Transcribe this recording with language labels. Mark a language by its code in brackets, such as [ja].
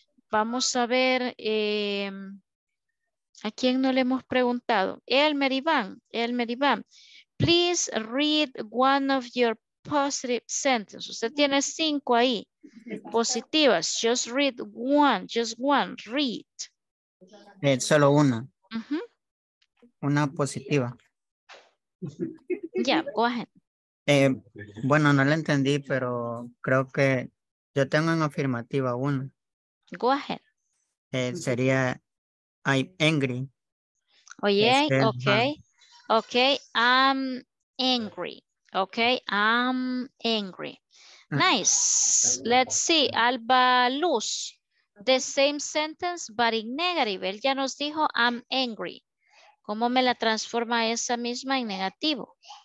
[es] Vamos a ver a quién no le hemos preguntado. [en] Elmer Iván, please read one of your positive sentences. [es] Usted tiene 5 ahí, positivas. [en] Just read one, read. [es] Solo una. Uh-huh. Una positiva. [en] Ya, go ahead. [es] Bueno, no la entendí, pero creo que yo tengo en afirmativa una. [en] Go ahead. Sería, I'm angry. Oye, ok, I'm angry, ok, I'm angry. Nice, let's see, Alba Luz, the same sentence but in negative. [es] Él ya nos dijo, [en] I'm angry. [es] ¿Cómo me la transforma esa misma en negativo?